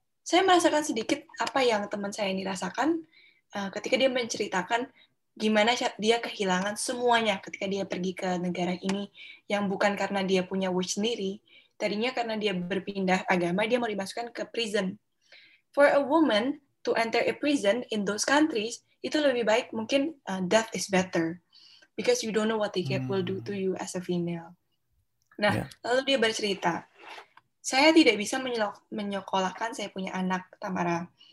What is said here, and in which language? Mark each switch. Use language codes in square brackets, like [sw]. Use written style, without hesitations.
[id] Saya merasakan sedikit apa yang teman saya ini rasakan ketika dia menceritakan gimana dia kehilangan semuanya ketika dia pergi ke negara ini yang bukan karena dia punya wish sendiri, tadinya karena dia berpindah agama, dia mau dimasukkan ke prison. [en] For a woman to enter a prison in those countries, [id] itu lebih baik mungkin [en] death is better because you don't know what they will do to you as a female. Nah, Yeah. [id] lalu dia bercerita, saya tidak bisa menyekolahkan saya punya anak, Tamara.